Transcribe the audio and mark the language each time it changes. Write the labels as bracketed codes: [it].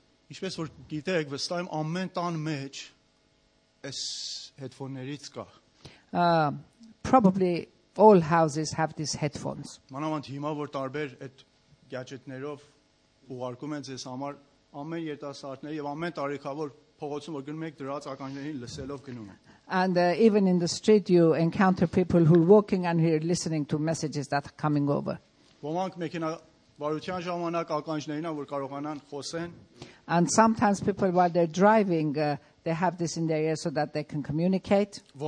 [hy] Ինչպես որ գիտեք, վստահ եմ ամեն տան մեջ այս հեդֆոններից կա. [en] Probably all houses have these headphones. [hy] Մանավանդ հիմա որ տարբեր այդ գյաջետներով ուղարկում են ձեզ համար ամեն երիտասարդները եւ ամեն տարիքավոր փողոցում որ գնում եք դրած ականջներին լսելով գնում եք. [en] And even in the street you encounter people who are walking and here listening to messages that are coming over. [hy] Ոմանք մեքենա վարության ժամանակ ականջներին ա որ կարողանան խոսեն. [en] And sometimes people, while they're driving, they have this in their ear so that they can communicate.